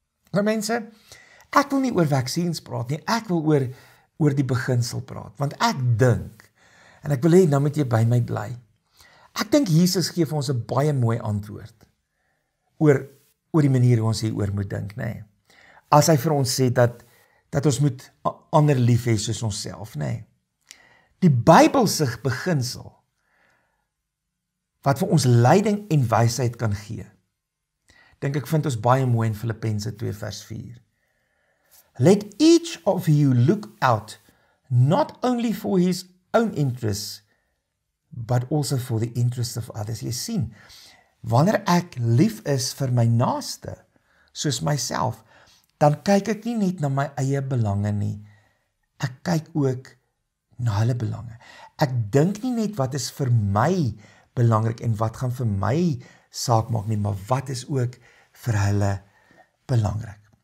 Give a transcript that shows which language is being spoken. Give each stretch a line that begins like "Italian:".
Afrikaans: Nou mense, ek wil nie oor vaksines praat nie, ek wil oor die beginsel praat, want ek dink, en ek wil hê, nou moet jy by my bly, ek dink Jesus gee vir ons 'n baie mooi antwoord, oor die manier hoe ons hier oor moet dink, nê. As hy vir ons sê dat ons moet ander lief hê soos onsself, nê. Die Bybelse beginsel wat vir ons leiding en wysheid kan gee. Dink ek vind ons baie mooi in Filippense 2 vers 4.
English: Let each of you look out not only for his own interests but also for the interests of others.
Afrikaans: Jy sien, wanneer ek lief is vir my naaste, soos myself, dan kyk ek nie net na my eie belange nie. Ek kyk ook na hulle belange. Ek dink nie net wat is vir my belangrik en wat gaan vir my saak maak nie, maar wat is ook vir hulle belangrik.